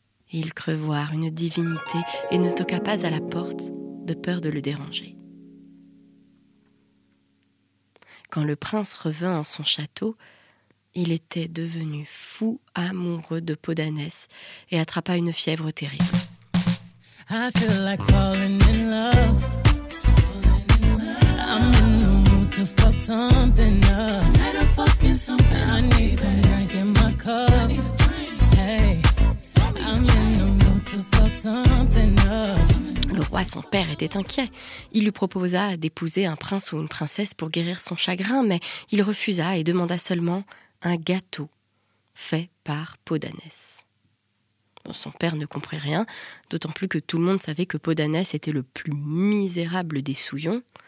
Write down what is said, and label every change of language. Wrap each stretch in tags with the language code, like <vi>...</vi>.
<fr>Il crut voir une divinité et ne toqua pas à la porte de peur de le déranger. Quand le prince revint en son château, il était devenu fou amoureux de peau d'ânesse et attrapa une fièvre terrible.</fr> <en>I feel like falling in love. I'm in the mood to fuck something up. Tonight I'm fucking something. I need some drink in my cup. Hey, I'm in the mood to fuck something up.</en> <fr>Le roi, son père, était inquiet. Il lui proposa d'épouser un prince ou une princesse pour guérir son chagrin, mais il refusa et demanda seulement un gâteau fait par peau d'ânesse. Son père ne comprit rien, d'autant plus que tout le monde savait que peau d'ânesse était le plus misérable des souillons.</fr>